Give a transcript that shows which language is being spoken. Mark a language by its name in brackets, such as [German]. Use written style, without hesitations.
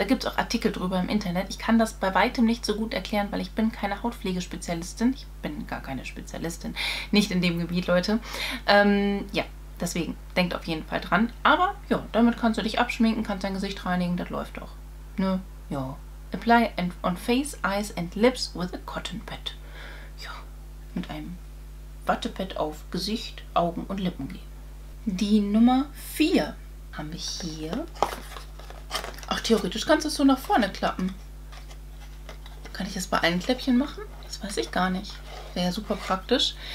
[German] Da gibt es auch Artikel drüber im Internet. Ich kann das bei weitem nicht so gut erklären, weil ich bin keine Hautpflegespezialistin. Ich bin gar keine Spezialistin. Nicht in dem Gebiet, Leute. Ja, deswegen denkt auf jeden Fall dran. Aber ja, damit kannst du dich abschminken, kannst dein Gesicht reinigen, das läuft doch. Ne? Ja. [English] Apply on face, eyes and lips with a cotton pad. [German] Ja, mit einem Wattepad auf Gesicht, Augen und Lippen gehen. Die Nummer 4 haben wir hier. Ach, theoretisch kannst du es so nach vorne klappen. Kann ich das bei allen Kläppchen machen? Das weiß ich gar nicht. wäre ja super praktisch.